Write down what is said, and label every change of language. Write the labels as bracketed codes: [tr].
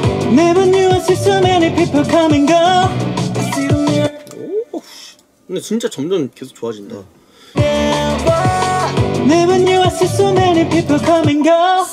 [en] Never knew I see so many people come and go. [ko] 오, 근데 진짜 점점 계속 좋아진다. [en] Never. Even you, I see so many people come and go.